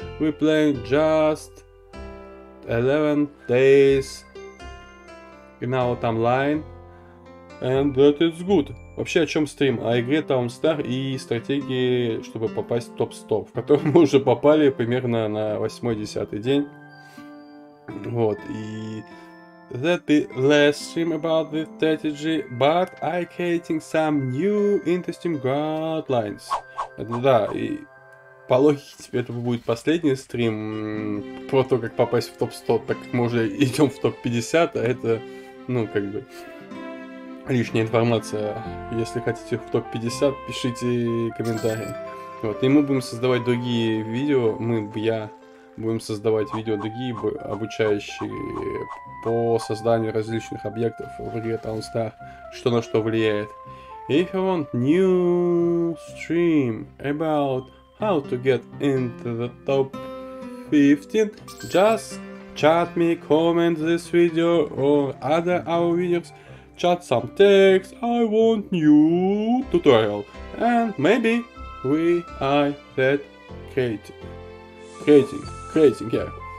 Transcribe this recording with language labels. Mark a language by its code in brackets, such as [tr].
[en] We playing just 11 days in our timeline, and that is good. [ru] Вообще, о чем стрим? О игре TownStar и стратегии, чтобы попасть в топ 100, в которую мы уже попали примерно на 8-10 день. Вот, и... [en] That the last stream about this strategy, but I creating some new interesting guidelines. [ru] Да, и по логике теперь это будет последний стрим про то, как попасть в топ 100, так как мы уже идем в топ 50, а это, ну, как бы, лишняя информация. Если хотите в топ 50, пишите комментарии. Вот, и мы будем создавать другие видео, будем создавать видео другие, обучающие по созданию различных объектов в игре TownStar, что на что влияет. [en] If you want new stream about how to get into the top 15, just chat me, comment this video or other our videos, chat some text, I want new tutorial, and maybe we are that creating, yeah.